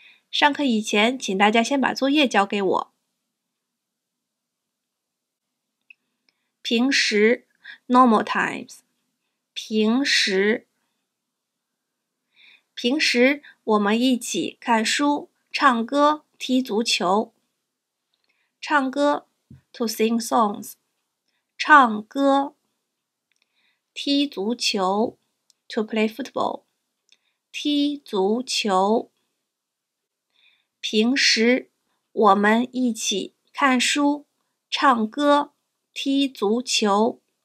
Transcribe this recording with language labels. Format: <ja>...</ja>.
<zh>上课以前，请大家先把作业交给我。平时 ,</zh> <en>normal times,</en> <zh>平时。平时我们一起看书、唱歌、踢足球。</zh> <en>唱歌 ,to sing songs, 唱歌。踢足球 ,to play football, 踢足球。</en> <zh>平时我们一起看书、唱歌、踢足球。</zh>